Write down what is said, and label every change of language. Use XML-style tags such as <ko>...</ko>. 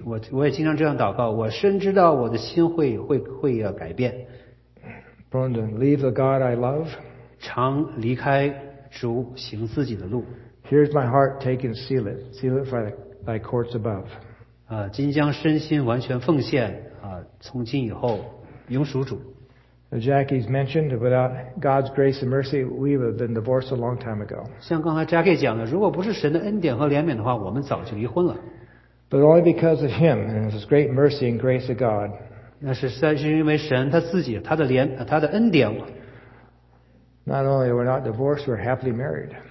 <zh>我也经常这样祷告, 我深知道我的心会改变。</zh> <en>Prone to leave the God I love.</en> <zh>常离开主行自己的路。</zh> <en>Here's my heart, take and seal it for thy courts above.</en> <zh>今将身心完全奉献，从今以后永属主。</zh> <en>As Jackie's mentioned, without God's grace and mercy, we would have been divorced a long time ago.</en> <zh>像刚才Jackie讲的，如果不是神的恩典和怜悯的话，我们早就离婚了。</zh> <en>But only because of Him and His great mercy and grace of God.</en> <zh>那是因为神他自己，他的恩典。</zh> <en>Not only are we not divorced, we're happily married.</en>